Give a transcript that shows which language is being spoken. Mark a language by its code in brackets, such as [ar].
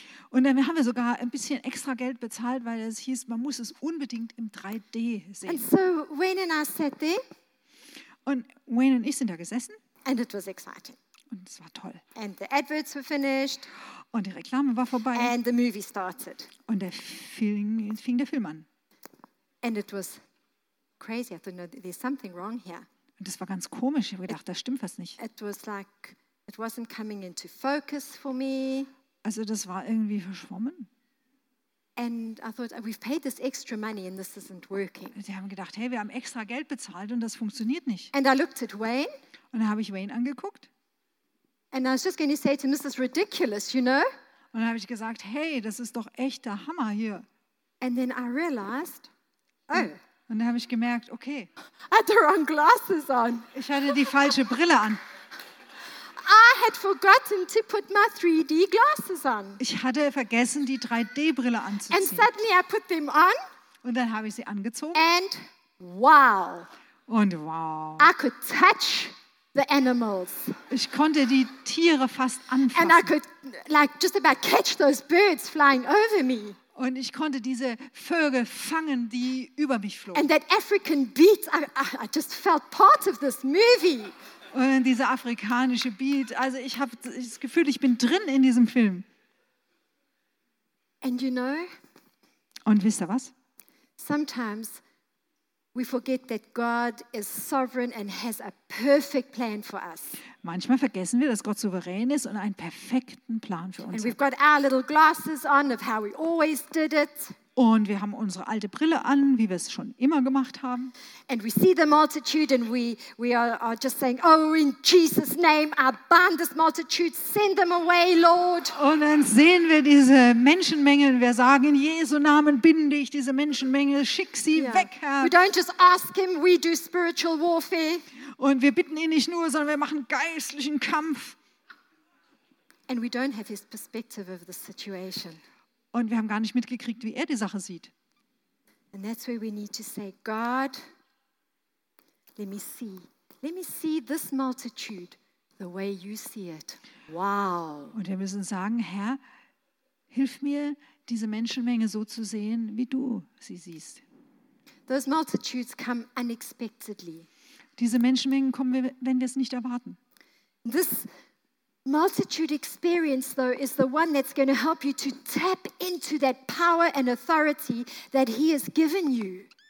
[de] Und dann haben wir sogar ein bisschen extra Geld bezahlt, weil es hieß, man muss es unbedingt im 3D sehen. [en] And so Wayne and I sat there. [de] Und Wayne und ich sind da gesessen. [en] And it was exciting. [de] Und es war toll. [en] And the adverts were finished. [de] Und die Reklame war vorbei. [en] And the movie started. [de] Und der Film, fing der Film an. [en] And it was crazy. I thought, no, there's something wrong here. [de] Und das war ganz komisch. Ich habe gedacht, das stimmt was nicht. [en] It was like it wasn't coming into focus for me. [de] Also das war irgendwie verschwommen. [en] And I thought, we've paid this extra money and this isn't working. [de] Sie haben gedacht, hey, wir haben extra Geld bezahlt und das funktioniert nicht. [en] And I looked at Wayne. [de] Und da habe ich Wayne angeguckt. [en] And I was just going to say to him, this is ridiculous, you know? [de] Und dann habe ich gesagt, hey, das ist doch echt der Hammer hier. [en] And then I realized, oh. [de] Und dann habe ich gemerkt, okay. [en] I had the wrong glasses on. [de] Ich hatte die falsche Brille an. [en] I had forgotten to put my 3D glasses on. [de] Ich hatte vergessen, die 3D-Brille anzuziehen. [en] And suddenly I put them on. [de] Und dann habe ich sie angezogen. [en] And wow. [de] Und wow. [en] I could touch the animals. [de] Ich konnte die Tiere fast anfassen. [en] And I could like just about catch those birds flying over me. [de] Und ich konnte diese Vögel fangen, die über mich flogen. [en] And that African beat, I just felt part of this movie. [de] Und dieser afrikanische Beat, also ich habe das Gefühl, ich bin drin in diesem Film. [en] And you know, [de] und wisst ihr was? [en] Sometimes we forget that God is sovereign and has a perfect plan for us. [de] Manchmal vergessen wir, dass Gott souverän ist und einen perfekten Plan für uns [en] hat. And we've got our little glasses on of how we always did it. [de] Und wir haben unsere alte Brille an, wie wir es schon immer gemacht haben. [en] And we see the multitude and we are just saying, oh, in Jesus name, I bind this multitude, send them away, Lord. [de] Und dann sehen wir diese Menschenmenge und wir sagen, in Jesu Namen binde ich diese Menschenmenge, schick sie weg, Herr. [en] We don't just ask him, we do spiritual warfare. [de] Und wir bitten ihn nicht nur, sondern wir machen geistlichen Kampf. [en] And we don't have his perspective of the situation. [de] Und wir haben gar nicht mitgekriegt, wie er die Sache sieht. [en] And that's where we need to say, God, let me see this multitude the way you see it. Wow. [de] Und wir müssen sagen, Herr, hilf mir, diese Menschenmenge so zu sehen, wie du sie siehst. [en] Those multitudes come unexpectedly. [de] Diese Menschenmengen kommen, wenn wir es nicht erwarten. [en] This multitude experience, though, is the one that's going to help you to tap into that power and authority that he has given you.